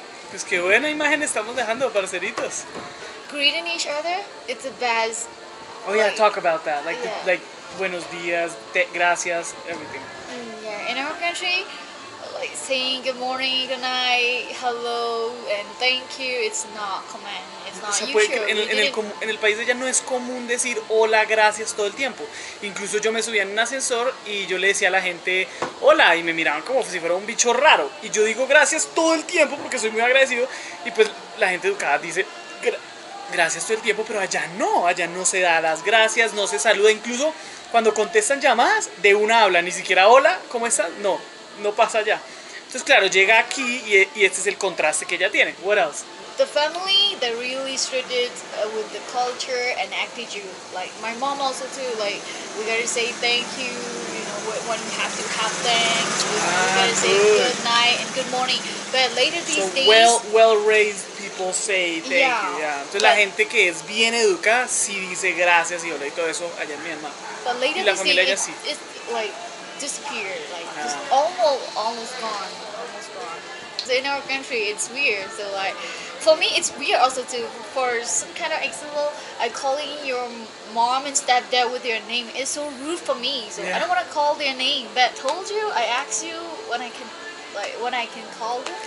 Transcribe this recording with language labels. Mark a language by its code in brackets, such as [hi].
[es] Pues qué buena imagen estamos dejando, parceritos. [en] Greeting each other, it's the best. Oh yeah, like, talk about that. Like, yeah. The, like [es] buenos días, te, gracias, [en] everything. Yeah, in our country, like saying good morning, good night, hello, and thank you, it's not common. [es] O sea, puede que en el país de ella no es común decir hola, gracias todo el tiempo. Incluso yo me subía en un ascensor y yo le decía a la gente hola y me miraban como si fuera un bicho raro. Y yo digo gracias todo el tiempo porque soy muy agradecido. Y pues la gente educada dice gracias todo el tiempo, pero allá no se da las gracias, no se saluda. Incluso cuando contestan llamadas, de una habla, ni siquiera hola, ¿cómo estás? No, no pasa allá. Entonces, claro, llega aquí y este es el contraste que ella tiene. [en] What else? The family, they really treated with the culture and attitude. Like my mom also too. Like we gotta say thank you. You know when we have to have thanks. We gotta say good night and good morning. But later these days, well raised people say thank you. Yeah. So [es] la gente que es bien educada sí dice gracias y hola y todo eso allá en Myanmar. [en] But later these days, it's like disappeared. Like almost gone. Almost gone. So in our country, it's weird. So like. For me, it's weird also to, for some kind of example, calling your mom and stepdad with your name is so rude for me. So yeah. I don't want to call their name. But told you, I asked you when I can, like, when I can call them.